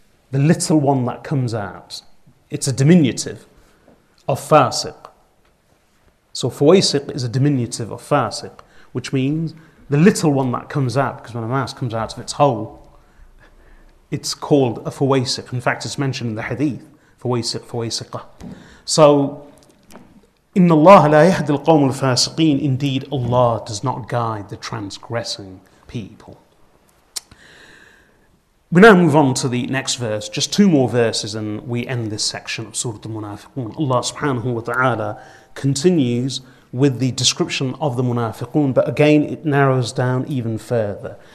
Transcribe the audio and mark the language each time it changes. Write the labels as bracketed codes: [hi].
[en] The little one that comes out. It's a diminutive of fasiq. So fawaisiq is a diminutive of fasiq, which means the little one that comes out, because when a mouse comes out of its hole, it's called a fawaisiq. In fact, it's mentioned in the hadith, fawaisiq, fawaisiqa. [ar] So, إن الله لا يهدي القوم الفاسقين. [en] Indeed, Allah does not guide the transgressing people. We now move on to the next verse, just two more verses, and we end this section of Surah Al-Munafiqun. Allah subhanahu wa ta'ala continues with the description of the munafiqun, but again it narrows down even further.